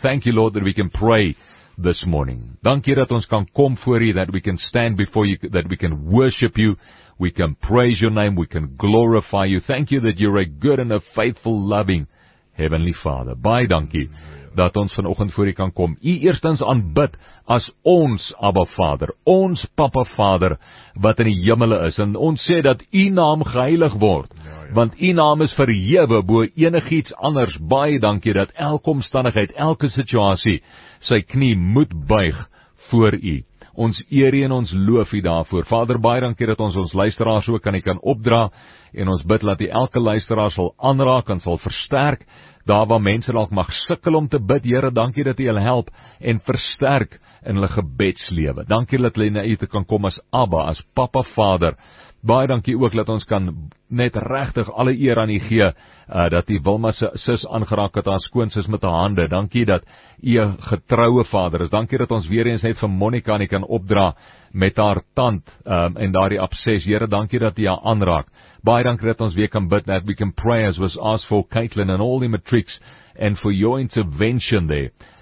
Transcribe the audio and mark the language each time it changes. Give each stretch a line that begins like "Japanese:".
English: Thank you, Lord, that we can pray this morning.
Afrikaans: Dankie dat ons kan kom voor u,
English: that we can stand before you, that we can worship you, we can praise your name, we can glorify you. Thank you that you're a good and a faithful, loving Heavenly Father.
Afrikaans: Baie dankie dat ons vanoggend voor u kan kom. U eerstens aanbid as ons Abba Vader, ons Papa Vader wat in die hemele is. En ons sê dat u naam geheilig word, want u naam is verhewe bo enigiets anders. Baie dankie dat elke omstandigheid, elke situasie sy knie moet buig voor u. Ons eer en ons loof u daarvoor. Vader, baie dankie dat ons luisteraars ook aan u kan opdra en ons bid dat u elke luisteraar sal aanraak en sal versterk daar waar mense dalk mag sukkel om te bid. Here, dankie dat u hulle help en versterk in hulle gebedslewe. Dankie dat hulle na u te kan kom as Abba, as Papa Vader. Baie dankie ook dat ons kan net regtig alle eer aan u gee dat u Wilma se sis aangeraak het, haar skoonsis met haar hande. Dankie dat u 'n getroue Vader is. Dankie dat ons weer eens net vir Monica nie kan opdra met haar tand en daardie abses. Here, dankie dat u haar aanraak. Baie dankie dat ons weer kan bid,
English: that we can pray as was asked for Caitlin and all the matrix and for your intervention there.